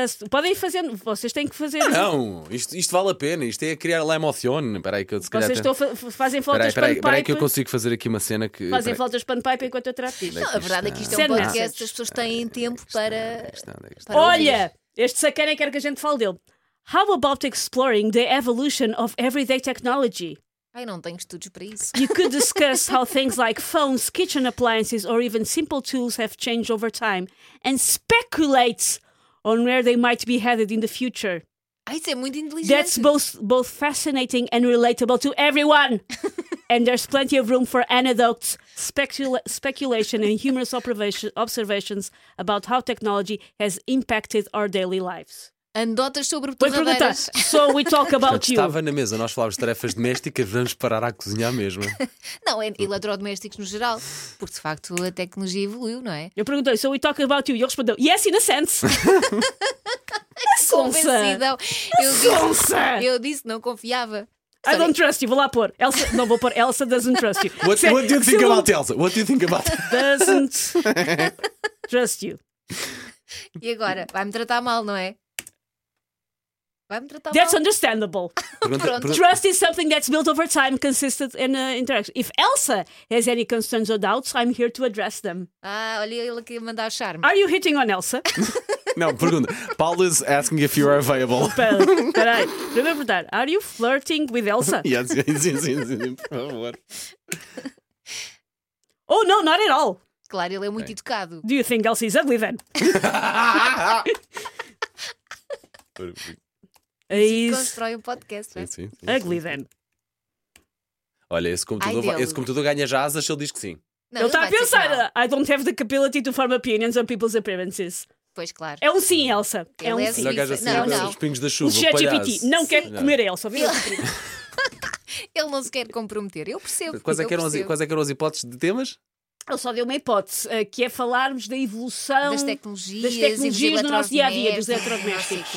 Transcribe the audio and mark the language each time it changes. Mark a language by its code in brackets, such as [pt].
[pt] Podem fazer, vocês têm que fazer. Não, isto vale a pena, isto é criar [es] la emoción. [pt] Peraí, que eu se calhar. Vocês estão fazem faltas panpipe. Peraí, que eu consigo fazer aqui uma cena que. Fazem faltas panpipe enquanto eu trato isto. Não, a verdade é que isto é um podcast, as pessoas têm tempo para. Olha, este sacana quer que a gente fale dele. [en] How about exploring the evolution of everyday technology? [pt] Ai, não tenho estudos para isso. [en] You could discuss how things like phones, kitchen appliances, or even simple tools have changed over time and speculate on where they might be headed in the future. [pt] Ah, isso é muito inteligente. [en] That's both fascinating and relatable to everyone. And there's plenty of room for anecdotes, speculation and humorous observations about how technology has impacted our daily lives. [pt] Anedotas sobre torradeiras. [en] So we talk about you. [pt] Estava na mesa, nós falávamos de tarefas domésticas, vamos parar à cozinha mesmo. Não, é eletrodomésticos no geral, porque de facto a tecnologia evoluiu, não é? Eu perguntei, [en] so we talk about you, [pt] e ele respondeu, [en] yes, in a sense. [pt] Convencidão. Eu disse, não confiava. [en] Sorry. I don't trust you, [pt] vou lá pôr. Elsa, não vou pôr, [en] Elsa doesn't trust you. What do you think about Elsa? Doesn't trust you. [pt] E agora, vai-me tratar mal, não é? Vai-me tratar [en] that's [pt] mal. [en] Understandable. [pt] Pronto. [en] Trust is something that's built over time, consistent in interaction. If Elsa has any concerns or doubts, I'm here to address them. [pt] Ah, olha ele aqui a mandar charme. [en] Are you hitting on Elsa? [pt] Não, pergunta. [en] Paul is asking if you are available. [pt] Peraí, deixa eu perguntar. [en] Are you flirting with Elsa? [pt] Sim, por favor. [en] Oh, no, not at all. [pt] Claro, ele é muito educado. [en] Do you think Elsa is ugly then? [pt] Constrói um podcast, né? Sim. [en] Ugly then. [pt] Olha, esse computador ganha já asas se ele diz que sim. Não, ele está a pensar. I don't have the capability to form opinions on people's appearances. Pois claro. É um sim, Elsa. Ele é um sim. Os pingos da chuva. O ChatGPT não quer comer a Elsa. Ele não se quer comprometer. Eu percebo. Quais é que eram as hipóteses de temas? Ele só deu uma hipótese, que é falarmos da evolução das tecnologias no nosso dia-a-dia, dos eletrodomésticos.